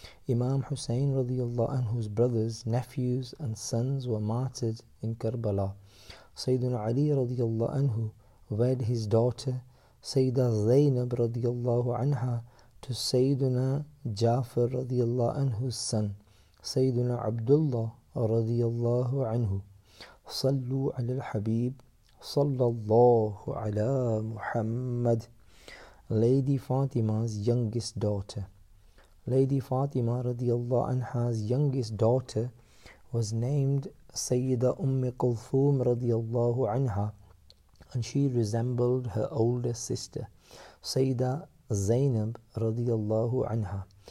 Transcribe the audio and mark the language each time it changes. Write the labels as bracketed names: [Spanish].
[English] Imam Hussein radiyallahu anhu's brothers, nephews and sons were martyred in Karbala. Sayyiduna Ali radiyallahu anhu wed his daughter Sayyida Zainab radiyallahu anha to Sayyiduna Jafar radiyallahu anhu's son, [Arabic] سيدنا عبد الله رضي الله عنه، صلوا على الحبيب صلى الله على محمد. [English] Lady Fatima's youngest daughter. Lady Fatima radiallahu anha's youngest daughter was named Sayyida Umm Kulthum radiallahu anha, and she resembled her older sister, Sayyida Zainab radiallahu anha.